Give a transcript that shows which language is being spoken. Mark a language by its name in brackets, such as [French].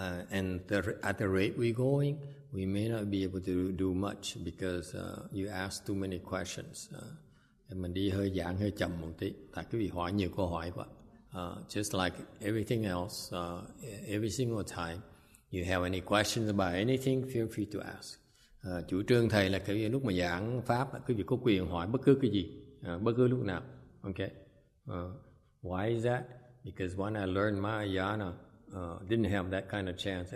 [English] And at the rate we're going, we may not be able to do much because you ask too many questions. [Vietnamese] Mình đi hơi giảng hơi chậm một tí, tại quý vị hỏi nhiều câu hỏi quá. [English] Just like everything else, every single time you have any questions about anything, feel free to ask. [Vietnamese] Chủ trương thầy là cái lúc mà giảng pháp, quý vị có quyền hỏi bất cứ cái gì, bất cứ lúc nào. [English] Okay. Why is that? Because when I learned Mahayana, didn't have that kind of chance.